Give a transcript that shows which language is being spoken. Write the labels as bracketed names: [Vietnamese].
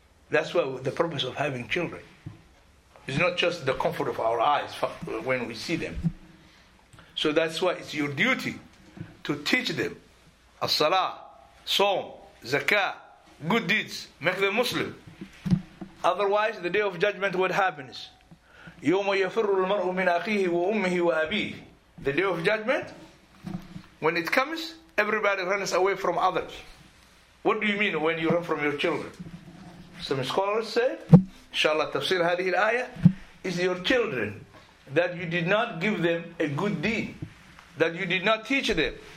[English] That's why the purpose of having children is not just the comfort of our eyes when we see them. So that's why it's your duty to teach them as-salah, sawm, zakah, good deeds, make them Muslim. Otherwise, the day of judgment, what happens? [Arabic] يوم يفر المرء من أخيه وأمه وأبيه. [English] The day of judgment, when it comes, everybody runs away from others. What do you mean when you run from your children? Some scholars say, inshallah, [Arabic] tafsir hadhihi al-ayah, [English] is your children that you did not give them a good deed, that you did not teach them.